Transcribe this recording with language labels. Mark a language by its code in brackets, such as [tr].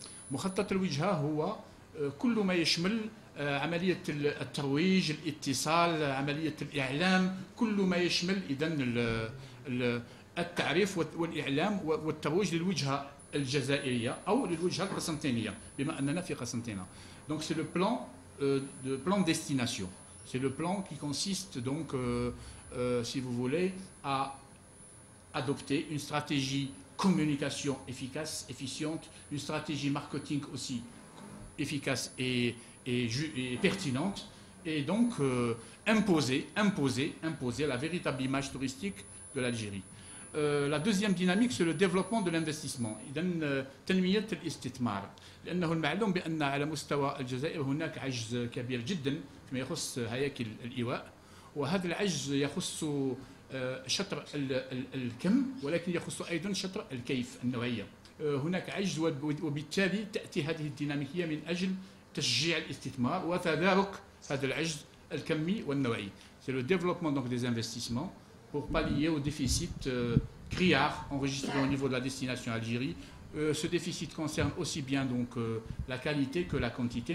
[ar] مخطط الوجهة هو كل ما يشمل عملية الترويج، الاتصال، عملية الإعلام، كل ما يشمل إذن التعريف والإعلام والترويج للوجهة الجزائرية أو للوجهة القسنطينية بما أننا في قسنطينة. [fr] Donc c'est le plan de plan destination. C'est le plan qui consiste donc si vous voulez à adopter une stratégie communication efficace, efficiente, une stratégie marketing aussi efficace et pertinente, et donc imposer la véritable image touristique de l'Algérie. La deuxième dynamique, c'est le développement de l'investissement. [ar] تنمية الاستثمار، لأنه المعلوم بأن على مستوى الجزائر هناك عجز كبير جدا فيما يخص هياكل الإيواء، وهذا العجز يخص شطر الكم، ولكن يخص أيضا شطر الكيف النوعية. هناك عجز، وبالتالي تأتي هذه الديناميكية من أجل تشجيع الاستثمار وتدارك هذا العجز الكمي والنوعي. [fr] C'est le développement donc des investissements pour pallier au déficit criard enregistré au niveau de la destination Algérie. Ce déficit concerne aussi bien donc la qualité que la quantité.